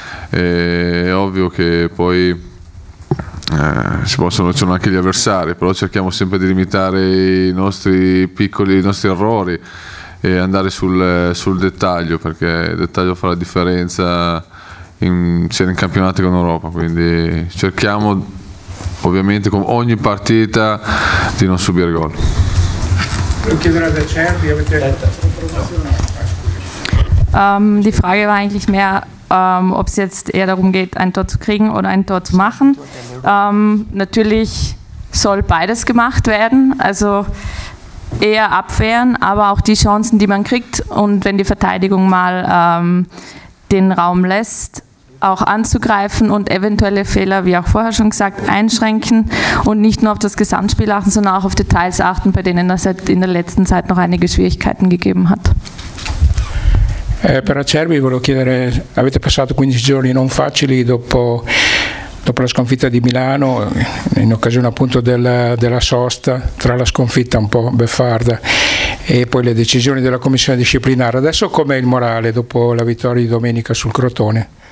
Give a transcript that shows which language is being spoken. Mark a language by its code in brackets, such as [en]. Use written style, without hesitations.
[it] È ovvio che poi ci sono anche gli avversari, però cerchiamo sempre di limitare i nostri errori e andare sul dettaglio, perché il dettaglio fa la differenza sia in campionato che in Europa. Quindi cerchiamo ovviamente con ogni partita di non subire gol. Lo chiederà da Cervi, avete [de] Die Frage war eigentlich mehr, ob es jetzt eher darum geht, ein Tor zu kriegen oder ein Tor zu machen. Natürlich soll beides gemacht werden, also eher abwehren, aber auch die Chancen, die man kriegt und wenn die Verteidigung mal den Raum lässt, auch anzugreifen und eventuelle Fehler, wie auch vorher schon gesagt, einschränken und nicht nur auf das Gesamtspiel achten, sondern auch auf Details achten, bei denen es in der letzten Zeit noch einige Schwierigkeiten gegeben hat. [it] Per Acerbi volevo chiedere, avete passato 15 giorni non facili dopo la sconfitta di Milano, in occasione appunto della sosta, tra la sconfitta un po' beffarda e poi le decisioni della commissione disciplinare. Adesso com'è il morale dopo la vittoria di domenica sul Crotone?